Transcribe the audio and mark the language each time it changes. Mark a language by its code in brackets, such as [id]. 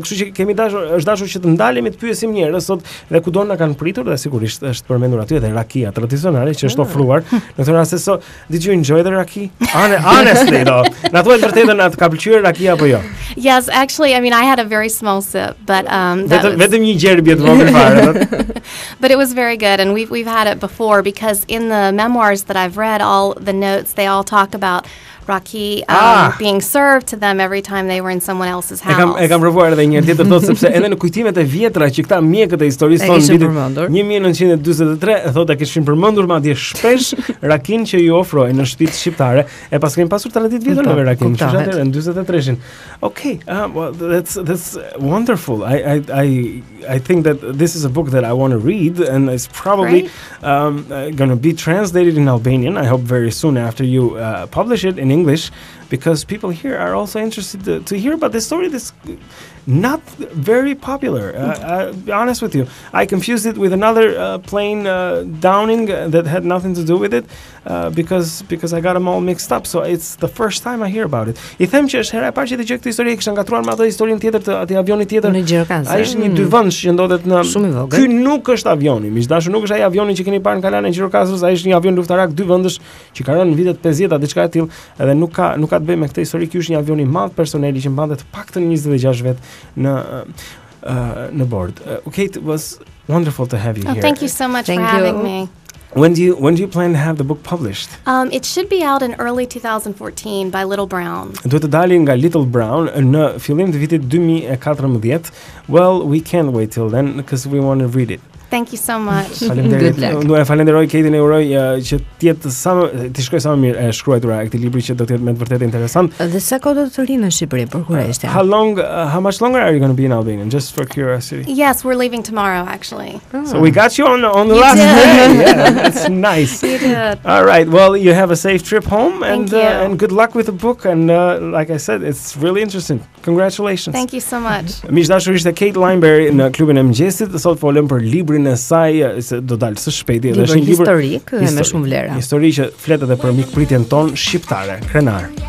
[sq] kështu që kemi dashur, është dashur që të ndalemi të pyesim njerëz sot dhe kudo na kanë pritur. Dhe sigurisht është përmendur aty edhe rakia tradicionale që është ofruar. Në këtë rast, [en] so, did you enjoy the raki? Honestly, though. [sq] Na thuaj vërtetën, atë ka pëlqyer rakia apo jo? [en] Yes, actually, I mean, I had a very small sip, but [sq] vetëm një gjerbje të vogël fare. [en] But it was very good, and we've had it before, because in the memoirs that I've read, all the notes, they all talk about raki being served to them every time they were in someone else's house. [sq] E kam provuar edhe një herë tjetër thotë sepse edhe në kujtimet e vjetra që këta mjekët e historisë thonë vitin 1943 thotë kishin përmendur madje shpesh rakin që ju ofrojnë në shtëpitë shqiptare e pas kemi pasur 30 vjetër me rakin në shtëpitë në 43-shin. [en] Okay, well that's wonderful. I think that this is a book that I want to read and it's probably going to be translated in Albanian. I hope very soon after you publish it in English, because people here are also interested to hear about this story that's not very popular. I'll be honest with you. I confused it with another plane downing that had nothing to do with it because I got them all mixed up. So it's the first time I hear about it. [sq] I them që është hera e parë që dëgjoj këtë histori, kisha ngatruar me atë historinë tjetër të atij avioni tjetër. Në Gjirokastër. Ai është një dyvendsh që ndodhet në shumë I vogël. Ky nuk është avioni, miq dashur, nuk është ai avioni që keni parë në kalanë Gjirokastrës, ai është një avion luftarak dyvendsh që ka rënë në vitet 50 diçka e tillë, edhe nuk ka të bëjë me këtë histori. Ky është një avion I madh personeli që mbante të paktën 26 vet. në bord. [en] Kate, it was wonderful to have you here. Thank you so much thank for you. Having me. When do you plan to have the book published? It should be out in early 2014 by Little Brown. [sq] Do të dalë nga Little Brown në fillim të vitit 2014. [en] Well, we can't wait till then because we want to read it. Thank you so much. Good luck. [sq] Falenderoj Katie, ne uroj që të jetë sa të shkojë sa më mirë e shkruajtura e këtij libri që do të jetë me të vërtetë interesant. Dhe sa kohë do të rrinë në Shqipëri për kurajtje? [en] How much longer are you going to be in Albania? Just for curiosity. Yes, we're leaving tomorrow actually. So we got you on the last day. Yeah, that's nice. You did. All right. Well, you have a safe trip home and thank you. And good luck with the book and like I said, it's really interesting. Congratulations. Thank you so much. [sq] Miqdashur, ishte Kate Lineberry në klubin e mëngjesit. Sot folëm për librin e saj, se do dalë së shpejti. Libër historik, me shumë vlera. Histori që fletë edhe për mikpritjen ton shqiptare. Krenar.